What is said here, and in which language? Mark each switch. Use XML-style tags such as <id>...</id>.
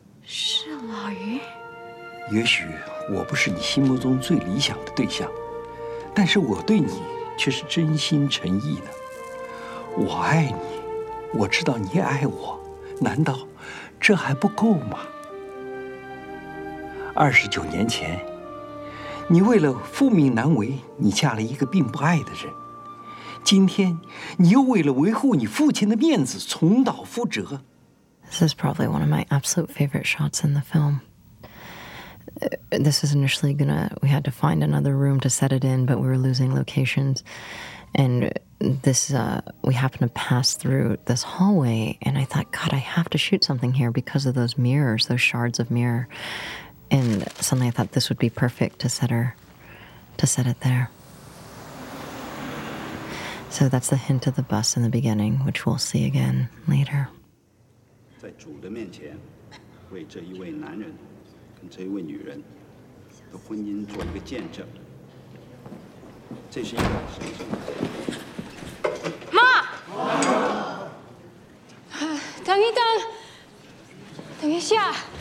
<zh>是老于？也许我不是你心目中最理想的对象，但是我对你却是真心诚意的。我爱你，我知道你也爱我，难道这还不够吗？ 29年前，你为了父命难违，你嫁了一个并不爱的人，今天你又为了维护你父亲的面子重蹈覆辙。</zh> <en>This is probably one of my absolute favorite shots in the film. This was initially going to, we had to find another room to set it in, but we were losing locations. And this, we happened to pass through this hallway, and I thought, God, I have to shoot something here because of those mirrors, those shards of mirror. And suddenly I thought this would be perfect to set her, to set it there. So that's the hint of the bus in the beginning, which we'll see again later.</en> <zh>在主的面前为这一位男人跟这一位女人的婚姻做一个见证，这是一个什么情况？妈，等一等，等一下，</zh>